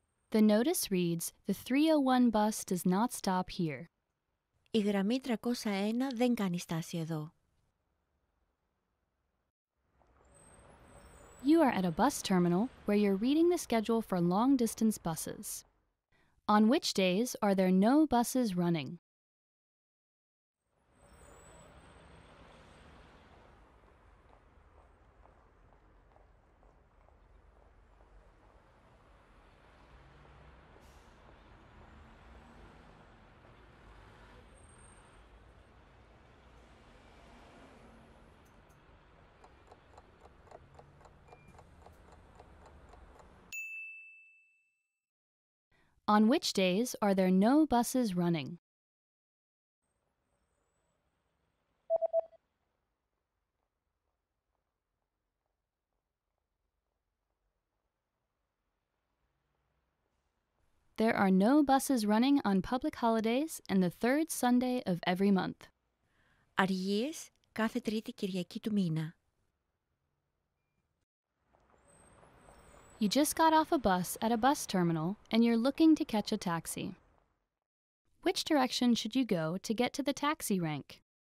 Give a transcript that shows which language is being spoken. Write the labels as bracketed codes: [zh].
[en] The notice reads, the 301 bus does not stop here. [el] Η γραμμή 301 δεν κάνει στάση εδώ. [en] You are at a bus terminal where you're reading the schedule for long-distance buses. On which days are there no buses running? On which days are there no buses running? There are no buses running on public holidays and the third Sunday of every month. [el] Αργίες κάθε τρίτη Κυριακή του μήνα. [en] You just got off a bus at a bus terminal and you're looking to catch a taxi. Which direction should you go to get to the taxi rank?